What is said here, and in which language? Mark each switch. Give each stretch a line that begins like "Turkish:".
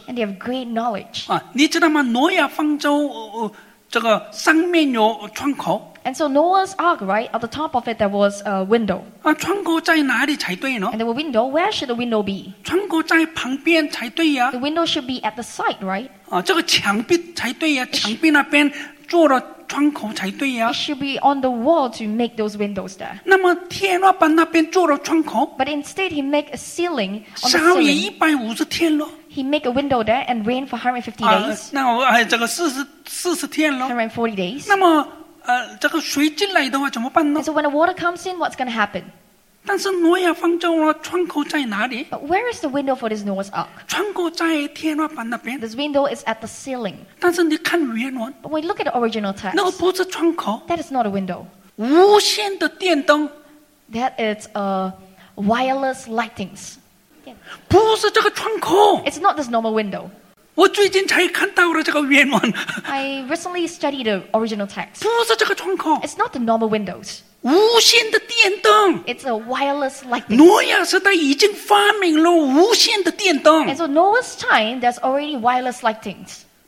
English: and they have great knowledge.
Chinese: 啊, 你知道吗?挪亚方舟这个上面有窗口,
English: and so Noah's Ark, right, at the top of it, there was a window.
Chinese: 啊, 窗口在哪里才对呢?
English: And there was a window. Where should the window be?
Chinese: 窗口在旁边才对呀?
English: The window should be at the side, right?
Chinese: 啊, 这个墙壁才对呀, 墙壁那边做了窗口才对呀?
English: It should be on the wall to make those windows there.
Chinese: 那么天花板那边做了窗口?
English: But instead, he make a ceiling on the ceiling.
Chinese: 下雨150天咯?
English: He make a window there and rain for 150 days.
Chinese: 啊, 那我这个40天咯?
English: 140 days.
Chinese: 那么, 这个水进来的话怎么办呢?
English: And so when the water comes in, what's going to happen?
Chinese: 但是挪亚方舟窗口在哪里?
English: But where is the window for this Noah's Ark?
Chinese: 窗口在天花板那边?
English: This window is at the ceiling.
Chinese: 但是你看原文,
English: but when you look at the original text,
Chinese: 那个不是窗口,
English: that is not a window.
Chinese: 无线的电灯,
English: that is wireless lightings.
Chinese: Yeah. 不是这个窗口,
English: it's not this normal window.
Chinese: 我最近才看到了这个原文.
English: I recently studied the original text.
Chinese: 不是这个窗口.
English: It's not the normal windows.
Chinese: 无线的电灯.
English: It's a wireless lighting.
Chinese: 挪亚时代已经发明了无线的电灯.
English: And so Noah's time, there's already wireless lightings.